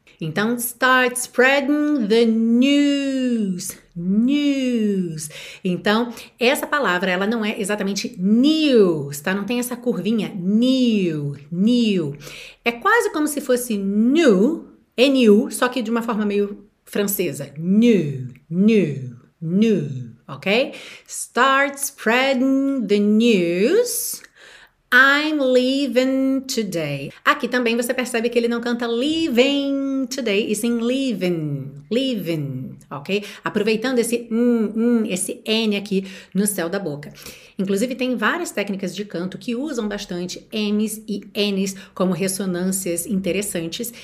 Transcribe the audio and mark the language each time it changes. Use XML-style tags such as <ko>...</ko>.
<en>Então, start spreading the news, news.</en> <pt>Então, essa palavra, ela não é exatamente news, tá? Não tem essa curvinha, new, new. É quase como se fosse new, N-U, só que de uma forma meio francesa. New, new, new, ok?</pt> <en>Start spreading the news. I'm leaving today.</en> <pt>Aqui também você percebe que ele não canta leaving today, e sim leaving, leaving, ok? Aproveitando esse esse N aqui no céu da boca. Inclusive, tem várias técnicas de canto que usam bastante M's e N's como ressonâncias interessantes.</pt>